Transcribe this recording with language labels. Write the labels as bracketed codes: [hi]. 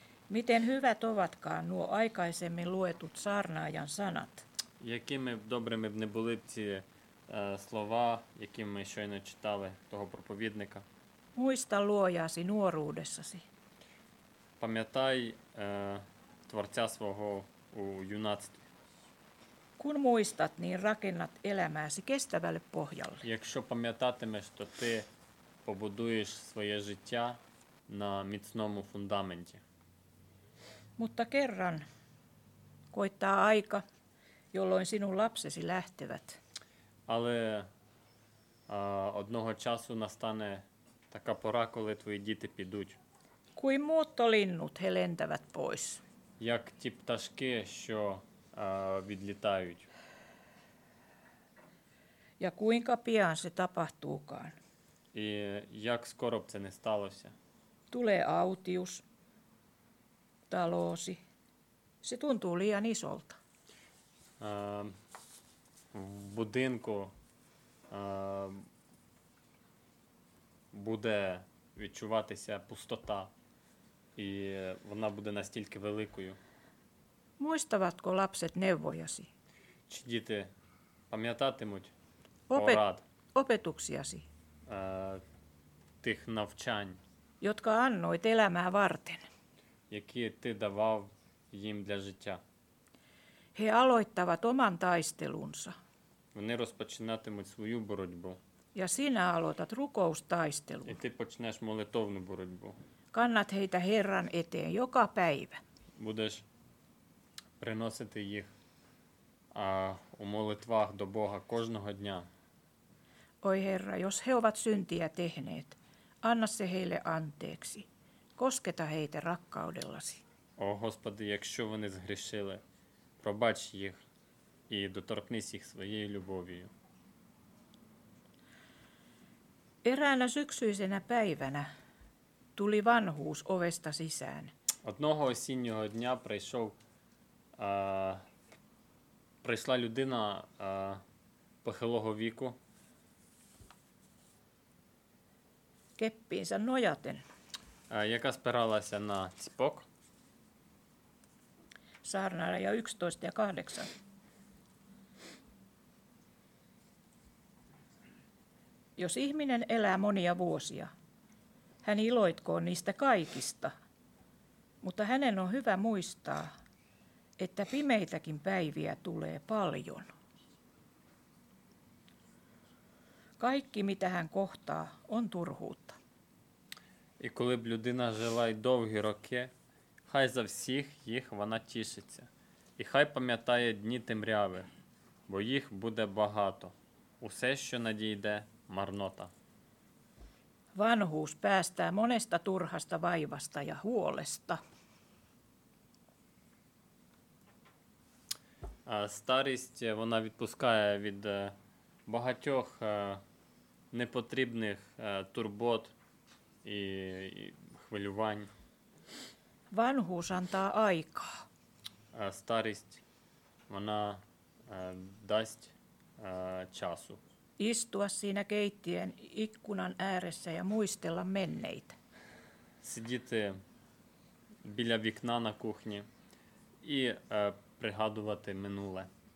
[fi] Miten hyvät ovatkaan nuo aikaisemmin luetut saarnaajan sanat? [uk] Якими добрими б не були б ці слова, які ми щойно читали того проповідника. [fi] Muista luojasi nuoruudessasi. [uk] Пам'ятай творця свого у юнацтві. [fi] Kun muistat, niin rakennat elämääsi kestävälle pohjalle. [uk] Якщо пам'ятатимеш, то ти побудуєш своє життя на міцному фундаменті. [fi] Mutta kerran koittaa aika, jolloin sinun lapsesi lähtevät. [uk] Але одного часу настане така пора, коли твої діти підуть. [fi] Kuin muottolinnut he lentävät pois. [uk] Як ті пташки, що відлітають. [fi] Ja kuinka pian se tapahtuukaan. [uk] І як скоро б це не сталося. [fi] Tulee autius, talosi. Se tuntuu liian isolta. [uk] Будинку буде відчуватися пустота, і вона буде настільки великою. [fi] Muistavatko lapset neuvojasi? [uk] Чи діти пам'ятатимуть порад? [fi] Opetuksiasi? [uk] Тих навчань. [fi] Jotka annoit elämää varten. [uk] Які ти давав їм для життя. [fi] He aloittavat oman taistelunsa. [uk] Вони розпочинатимуть свою боротьбу. [fi] Ja sinä aloitat rukoustaistelun. [uk] І ти почнеш молитовну боротьбу. [fi] Kannat heitä Herran eteen joka päivä. [uk] Будеш приносити їх у молитвах до Бога кожного дня. [fi] Oi Herra, jos he ovat syntiä tehneet, anna se heille anteeksi. Kosketa heitä rakkaudellasi. [uk] О Господи, якщо вони згрішили, пробач їх і доторкнись їх своєю любов'ю. [fi] Eräänä syksyisenä päivänä tuli vanhuus ovesta sisään. [uk] Одного осіннього дня прийшов прийшла людина похилого віку. [fi] Keppiinsä nojaten. [uk] Яка спиралася на ціпок. [fi] Saarnaaja 11 ja 8. Jos ihminen elää monia vuosia, hän iloitkoon niistä kaikista, mutta hänen on hyvä muistaa, että pimeitäkin päiviä tulee paljon. Kaikki, mitä hän kohtaa, on turhuutta. [uk] І коли б людина жила й довгі роки, хай за всіх їх вона тішиться. І хай пам'ятає дні темряви, бо їх буде багато. Усе, що надійде, марнота. [fi] Vanhuus päästää monesta turhasta vaivasta ja huolesta. [uk] Старість, вона відпускає від багатьох непотрібних турбот і хвилювань. [fi] Vanhuus antaa aikaa. [uk] Старість, вона дасть часу. [fi] Istua siinä keittiön ikkunan ääressä ja muistella menneitä. [uk] Сидіти біля вікна на кухні і пригадувати минуле.